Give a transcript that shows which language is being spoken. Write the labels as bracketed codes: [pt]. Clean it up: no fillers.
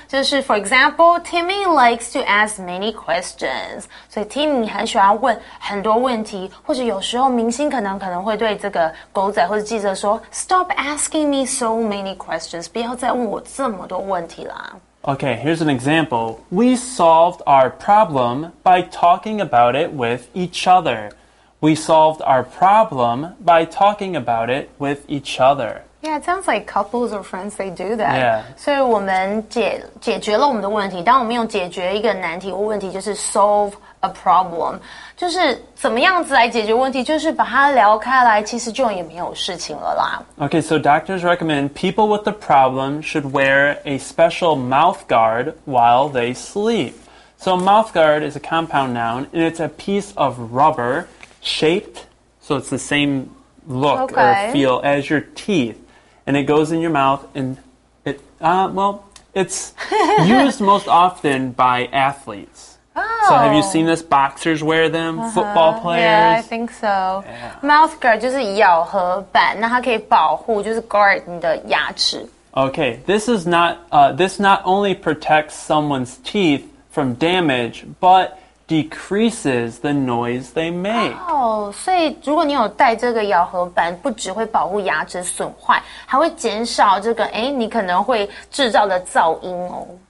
[zh] 就是 [en] for example， Timmy likes to ask many questions， [zh] 所以 Timmy 很喜欢问很多问题，或者有时候明星可能会对这个狗仔或者记者说， [en] stop asking me so many questions， [zh] 不要再问我这么多问题啦。 [en] Okay, here's an example. We solved our problem by talking about it with each other. We solved our problem by talking about it with each other. Yeah, it sounds like couples or friends, they do that. Yeah. [zh] 所以我们解决了我们的问题，当我们用解决一个难题或问题，就是 [en] solve a problem， [zh] 就是怎么样子来解决问题，就是把它聊开来，其实就也没有事情了啦。 [en] Okay, so doctors recommend people with the problem should wear a special mouth guard while they sleep. So mouth guard is a compound noun, and it's a piece of rubber shaped, so it's the same look or feel as your teeth. And it goes in your mouth, and it's used most often by athletes. So have you seen this? Boxers wear them? Football players? Yeah, I think so. Yeah. [zh] Mouth guard 就是咬合板，那它可以保护，就是 guard 你的牙齿。 [en] Okay, this not only protects someone's teeth from damage, but decreases the noise they make. [zh] Oh, 所以如果你有戴这个咬合板，不只会保护牙齿损坏，还会减少这个，诶，你可能会制造的噪音哦。